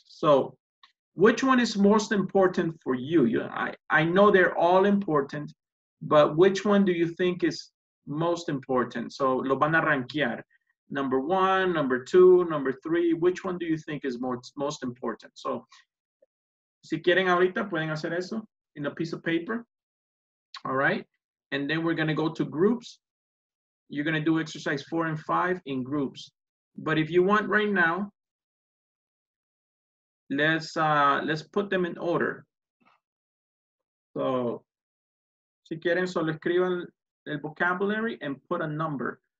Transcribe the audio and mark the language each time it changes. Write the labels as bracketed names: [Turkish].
[English] So which one is most important for you? I know they're all important. But which one do you think is most important? So, [Spanish] lo van a rankear. [English] Number 1, number 2, number 3. Which one do you think is most important? [Spanish] So, si quieren ahorita, pueden hacer eso [English] in a piece of paper. All right. And then we're going to go to groups. You're going to do exercise 4 and 5 in groups. But if you want right now, let's put them in order. So, [Spanish] si quieren, solo escriban el [English] vocabulary and put a number.